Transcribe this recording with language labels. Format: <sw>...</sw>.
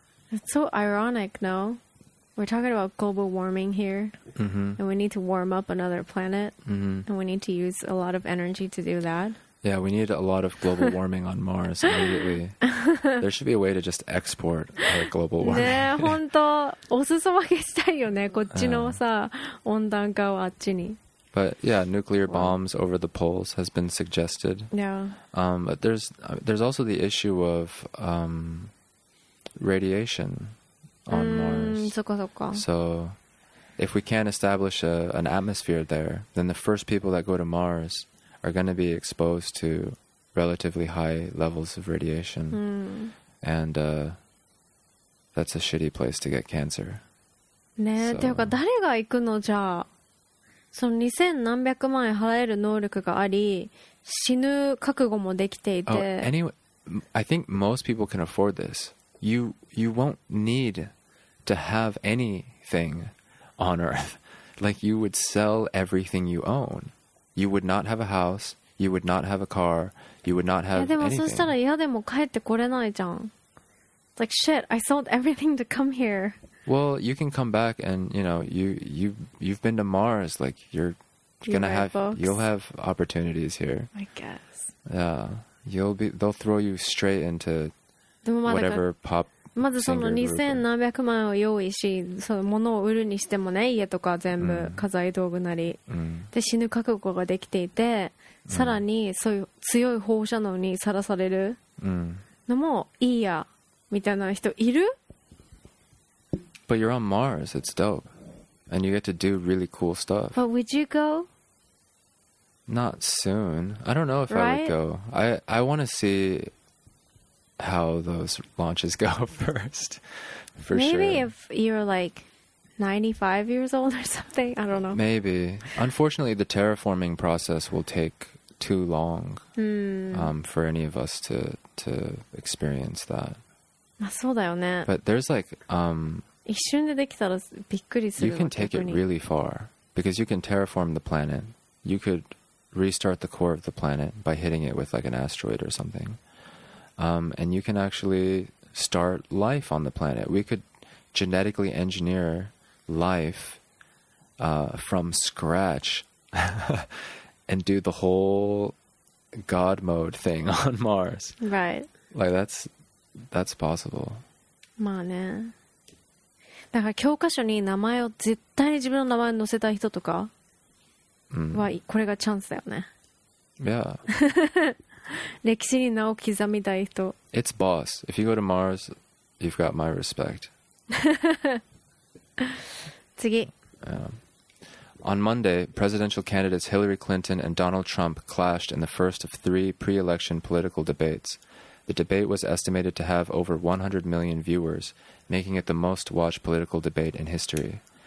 <en>It's so ironic, no? We're talking about global warming here. And we need to warm up another planet. And we need to use a lot of energy to do that. Yeah, we need a lot of global warming on Mars immediately. There should be a way to just export our global warming.</en> <ja>ね、本当、おすそ分けしたいよね、こっちのさ、温暖化をあっちに。</ja> <en>But yeah, nuclear bombs over the poles has been suggested. Yeah. But there's also the issue of radiation on Mars.</en> <ja>そこそこ。</ja> <en>So if we can't establish an atmosphere there, then the first people that go to Mars... are going to be exposed to relatively high levels of radiation. And that's a shitty place to get cancer. ね、so.</en> <ja>っていうか誰が行くのじゃあ。その2000何百万円払える能力があり、死ぬ覚悟もできていて。</ja> <en>Oh, anyway, I think most people can afford this. You won't need to have anything on Earth. Like you would sell everything you own. You would not have a house, you would not have a car, you would not have anything.</en> <ja>いやでもそしたら嫌でも帰ってこれないじゃん。</ja> <en>Like shit, I sold everything to come here. Well, you can come back and, you know, you've been to Mars, like you'll have opportunities here. I guess. Yeah, they'll throw you straight into whatever pop singer.</en> <ja>まずその2000何百万を用意し、その物を売るにしてもね、家とか全部家財道具なり。で死ぬ覚悟ができていて、さらにそういう強い放射能にさらされるのもいいやみたいな人いる</ja> <en>？But you're on Mars. It's dope, and you get to do really cool stuff. But would you go? Not soon. I don't know if I would go. I want to see how those launches go first. For Maybe sure. Maybe if you're like 95 years old or something. I don't know. Maybe. Unfortunately, the terraforming process will take too long for any of us to experience that.</en> <ja>まあ、そうだよね。</ja> <en>But there's like,</en> <ja>一瞬でできたらびっくりする。</ja> <en>You can take it really far because you can terraform the planet. You could restart the core of the planet by hitting it with like an asteroid or something. And you can actually start life on the planet. We could genetically engineer life from scratch and do the whole God mode thing on Mars. Right. Like that's possible.</en> <ja>まあね。だから教科書に名前を絶対に自分の名前を載せたい人とかはこれがチャンスだよね。</ja> <en>Yeah.</en> <ja>歴史に名を刻みたい人。</ja> <en>It's boss. If you go to Mars, you've got my respect.</en> <ja>次。</ja> <en>On Monday, presidential candidates Hillary Clinton and Donald Trump clashed in the first of three pre-election political debates. The debate was estimated to have over 100 million viewers, making it the most watched political debate in history.</en>